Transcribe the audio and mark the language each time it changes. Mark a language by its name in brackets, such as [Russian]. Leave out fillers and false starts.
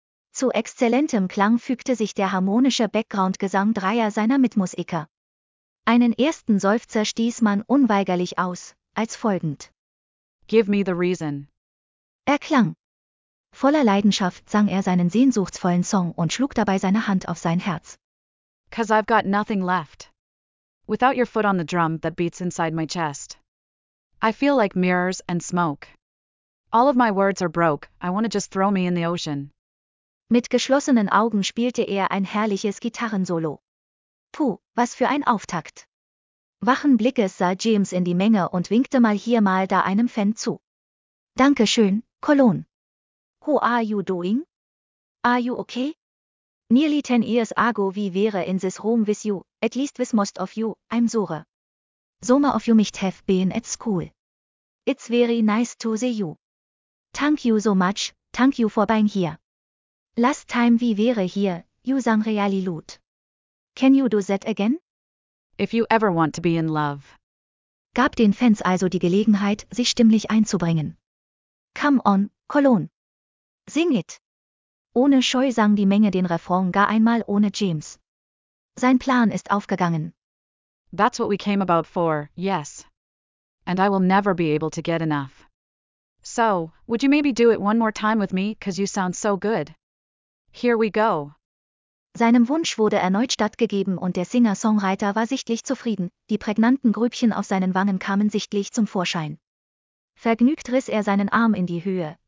[German] Zu exzellentem Klang fügte sich der harmonische Background-Gesang dreier seiner Mitmusiker. Einen ersten Seufzer stieß man unweigerlich aus, als folgend: [English] Give me the reason. [German] Erklang. Voller Leidenschaft sang er seinen sehnsuchtsvollen Song und schlug dabei seine Hand auf sein Herz. [English] 'Cause I've got nothing left. Without your foot on the drum that beats inside my chest. I feel like mirrors and smoke. All of my words are broke, I wanna just throw me in the ocean. [German] Mit geschlossenen Augen spielte er ein herrliches Gitarrensolo. Puh, was für ein Auftakt. Wachen Blickes sah James in die Menge und winkte mal hier mal da einem Fan zu. Danke schön, [English] Cologne. Who are you doing? Are you okay? Nearly 10 years ago we were in this room with you, at least with most of you, I'm sure. Some of you might have been at school. It's very nice to see you. Thank you so much, thank you for being here. Last time we were here, you sang really loud. Can you do that again? If you ever want to be in love. [German] Gab den Fans also die Gelegenheit, sich stimmlich einzubringen. [English] Come on, Cologne. Sing it. [German] Ohne Scheu sang die Menge den Refrain gar einmal ohne James. Sein Plan ist aufgegangen. [English] That's what we came about for, yes. And I will never be able to get enough. So, would you maybe do it one more time with me, 'cause you sound so good? Here we go. [German] Seinem Wunsch wurde erneut stattgegeben und der Singer-Songwriter war sichtlich zufrieden, die prägnanten Grübchen auf seinen Wangen kamen sichtlich zum Vorschein. Vergnügt riss er seinen Arm in die Höhe.